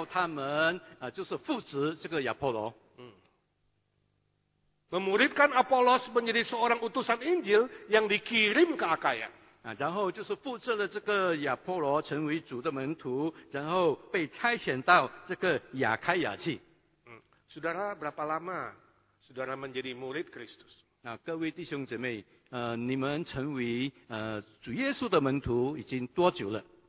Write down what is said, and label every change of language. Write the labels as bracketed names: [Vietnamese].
[Chinese] 原来呢最后才醒悟到，那么这个百基拉和亚基拉他们被留在以弗所，保罗目的就是要他们就是扶持这个亚波罗。 [Indonesian] Memuridkan Apolos menjadi seorang utusan Injil yang dikirim ke Akaya. [Chinese] 然后就是负责了这个亚波罗成为主的门徒，然后被差遣到这个亚开亚去。 [Indonesian] Saudara, berapa lama saudara menjadi murid Kristus? [Chinese] 各位弟兄姐妹，你们成为主耶稣的门徒已经多久了？